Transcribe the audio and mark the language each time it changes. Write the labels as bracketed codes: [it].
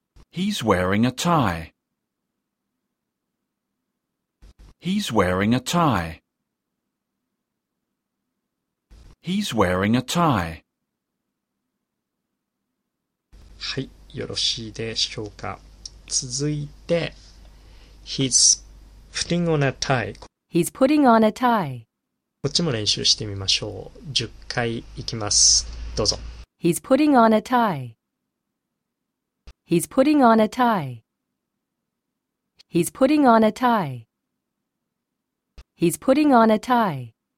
[en] He's wearing a tie. He's wearing a tie. He's wearing a tie. [ja] はい、よろしいでしょうか。続いて、 [en] He's putting on a tie. He's putting on a tie. [ja] こっちも練習してみましょう。 10回いきます。どうぞ。 [en] He's putting on a tie. He's putting on a tie. He's putting on a tie. He's putting on a tie.